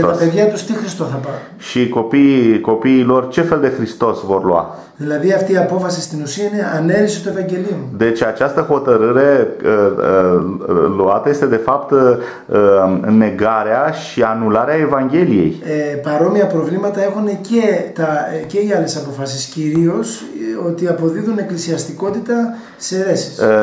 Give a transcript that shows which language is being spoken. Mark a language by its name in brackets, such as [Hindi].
[Greek] Και τα παιδιά τους τι Χριστό θα πάρουν? [Romanian] Și copiii lor ce fel de Hristos vor lua? [Greek] Δηλαδή αυτή η απόφαση στην ουσία είναι ανέρεση του Ευαγγελίου. [Romanian] Deci această hotărâre luată este de fapt negarea și anularea Evangheliei. [Greek] Παρόμοια προβλήματα έχουν και οι άλλες αποφάσεις, κυρίως ότι αποδίδουν εκκλησιαστικότητα σε αιρέσεις.